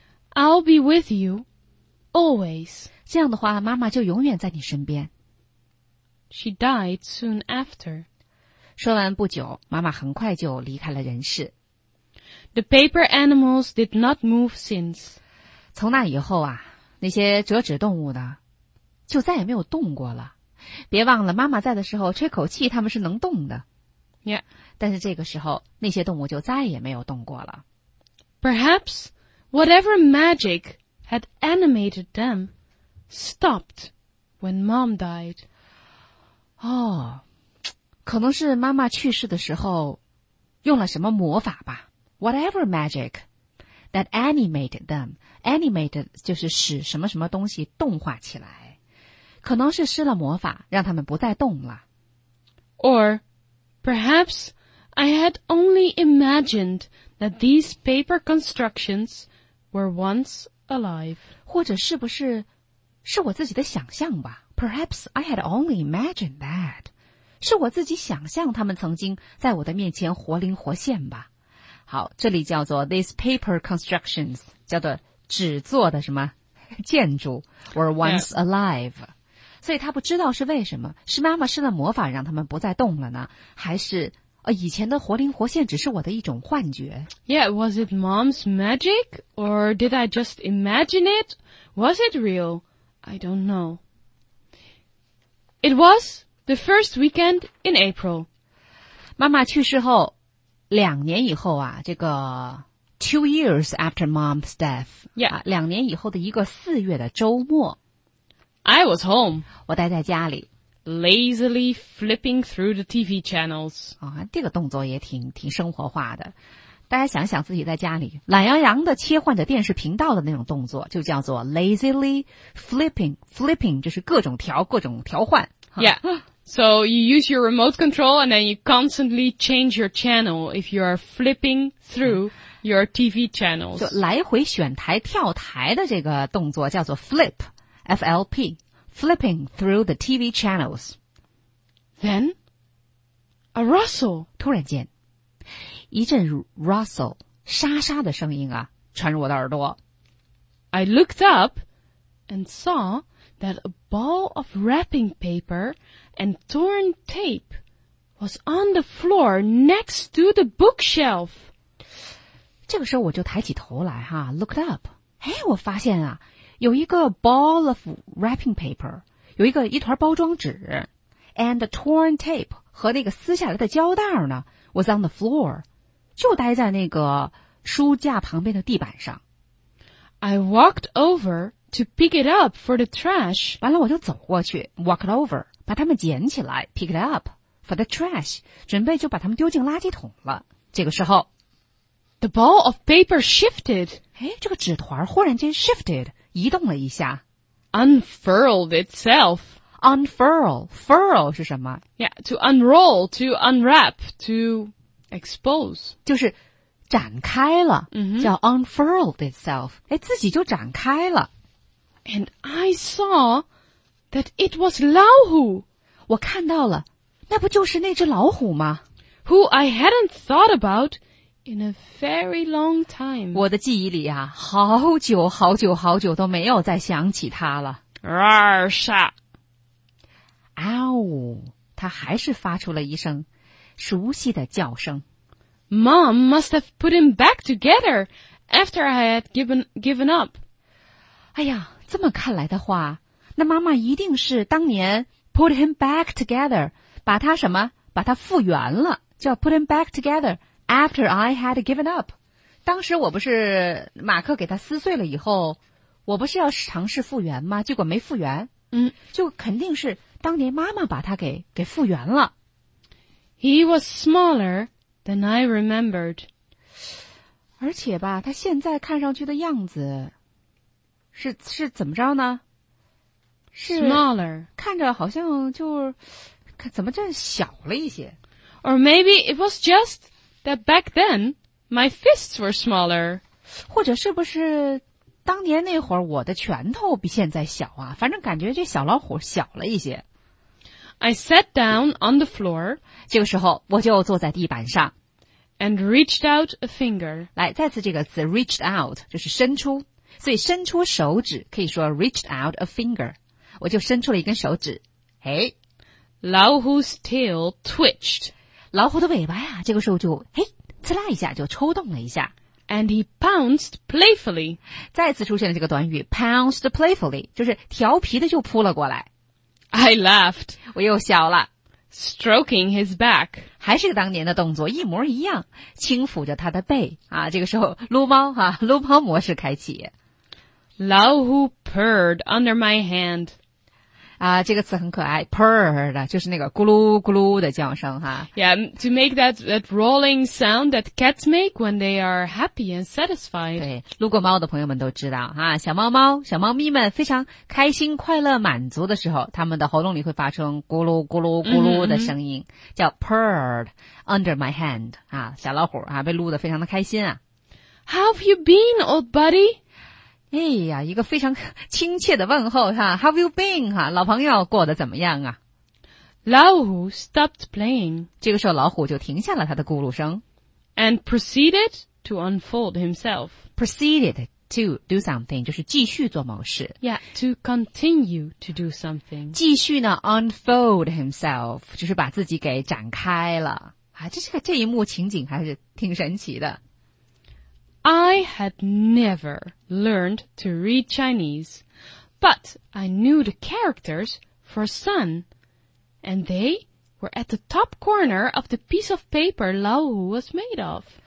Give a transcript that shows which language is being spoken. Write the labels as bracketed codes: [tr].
[en] I'll be with you always. [zh] 这样的话，妈妈就永远在你身边。 [en] She died soon after. [zh] 说完不久，妈妈很快就离开了人世。 [en] The paper animals did not move since. [zh] 从那以后啊，那些折纸动物呢，就再也没有动过了。别忘了，妈妈在的时候吹口气，他们是能动的。 [en] Yeah. [zh] 但是这个时候，那些动物就再也没有动过了。 [en] Perhaps whatever magic had animated them stopped when mom died. [zh] 哦，可能是妈妈去世的时候用了什么魔法吧。 [en] Whatever magic that animated them. [zh] Animated 就是使什么什么东西动化起来。可能是施了魔法，让他们不再动了。 [en] Or, perhaps, I had only imagined that these paper constructions were once alive. [zh] 或者是不是，是我自己的想象吧。 [en] Perhaps I had only imagined that. [zh] 是我自己想象他们曾经在我的面前活灵活现吧。好，这里叫做 [en] these paper constructions, [zh] 叫做纸做的什么建筑 [en] were once alive. Yeah. [zh] 所以他不知道是为什么，是妈妈施了魔法让他们不再动了呢，还是以前的活灵活现只是我的一种幻觉。 [en] Yeah, was it mom's magic? Or did I just imagine it? Was it real? I don't know. It was the first weekend in April. [zh] 妈妈去世后两年以后啊，这个 [en] two years after mom's death. Yeah.、 [zh] 两年以后的一个四月的周末， [en] I was home. [zh] 我待在家里。 [en] Lazily flipping through the TV channels. [zh] 这个动作也挺生活化的。大家想想自己在家里懒洋洋的切换着电视频道的那种动作，就叫做 [en] lazily flipping. [zh] Flipping 就是各种调各种调换。 [en] Yeah. So you use your remote control and then you constantly change your channel if you are flipping through your TV channels. [zh] 就来回选台跳台的这个动作叫做 flip. [en] FLP, flipping through the TV channels. Then, a rustle. [zh] 突然间，一阵 rustle, 沙沙的声音啊，传入我的耳朵。 [en] I looked up and saw that a ball of wrapping paper and torn tape was on the floor next to the bookshelf. [zh] 这个时候我就抬起头来哈 , [en] looked up. [zh] 我发现啊，有一个 [en] ball of wrapping paper, [zh] 有一个一团包装纸 [en] and a torn tape, [zh] 和那个撕下来的胶带呢 [en] was on the floor, [zh] 就待在那个书架旁边的地板上。 [en] I walked over to pick it up for the trash. [zh] 完了我就走过去 [en] walked over, [zh] 把它们捡起来 [en] pick it up for the trash, [zh] 准备就把它们丢进垃圾桶了。这个时候 [en] The ball of paper shifted. [zh] 这个纸团忽然间 shifted,移动了一下 [en] unfurled itself. [zh] Unfurl, furl 是什么？ [en] Yeah, to unroll, to unwrap, to expose. [zh] 就是展开了、 mm-hmm. 叫 [en] unfurled itself. [zh] 自己就展开了。 [en] And I saw that it was 老虎。 [zh] 我看到了，那不就是那只老虎吗？ [en] Who I hadn't thought aboutIn a very long time. [zh] 我的记忆里啊，好久好久好久都没有再想起他了。 [en] Roar, shot. [zh] Ow, 他还是发出了一声熟悉的叫声。 [en] Mom must have put him back together after I had given up. [zh] 哎呀，这么看来的话，那妈妈一定是当年 [en] put him back together, [zh] 把他什么？把他复原了，叫 [en] put him back together. After I had given up, [zh] 当时我不是马克给他撕碎了以后，我不是要尝试复原吗？结果没复原，就肯定是当年妈妈把他给复原了。 [en] He was smaller than I remembered. [zh] 而且吧，他现在看上去的样子是怎么着呢？是 [en] smaller, [zh] 看着好像就怎么这小了一些。 [en] Or maybe it was just... That back then, my fists were smaller. [zh] 或者是不是当年那会儿我的拳头比现在小啊？反正感觉这小老虎小了一些。 [en] I sat down on the floor. [zh] 这个时候我就坐在地板上。 [en] And reached out a finger. [zh] 来，再次这个词 [en] reached out, [zh] 就是伸出。所以伸出手指可以说 [en] reached out a finger， [zh] 我就伸出了一根手指。嘿， [en] 老虎's tail twitched， [zh] 老虎的尾巴呀，这个时候就嘿，刺啦一下就抽动了一下。 [en] And he pounced playfully， [zh] 再次出现了这个短语 [en] pounced playfully， [zh] 就是调皮的就扑了过来。 [en] I laughed， [zh] 我又笑了。 [en] Stroking his back， [zh] 还是个当年的动作，一模一样，轻抚着他的背啊。这个时候撸猫哈、啊，撸猫模式开启。 [en] 老虎 purred under my hand， [zh] 啊，这个词很可爱 ，purr 的就是那个咕噜咕噜的叫声哈、啊。 [en] Yeah， to make that rolling sound that cats make when they are happy and satisfied。 [zh] 对，撸过猫的朋友们都知道哈、啊，小猫猫、小猫咪们非常开心、快乐、满足的时候，他们的喉咙里会发出咕噜咕噜咕噜的声音， mm-hmm. 叫 [en] purred under my hand [zh] 啊，小老虎啊被撸得非常的开心啊。 [en] How have you been, old buddy？ [zh] 哎呀，一个非常亲切的问候哈 ， [en] How have you been [zh] 哈，老朋友过得怎么样啊？ [en] 老虎 stopped playing， [zh] 这个时候老虎就停下了他的咕噜声 [en] ，and proceeded to unfold himself。 proceeded to do something [zh] 就是继续做某事 [en] ，yeah， to continue to do something。 [zh] 继续呢 ， [en] unfold himself [zh] 就是把自己给展开了啊，这一幕情景还是挺神奇的。 [en] I had never learned to read Chinese, but I knew the characters for sun, and they were at the top corner of the piece of paper Lao Hu was made of.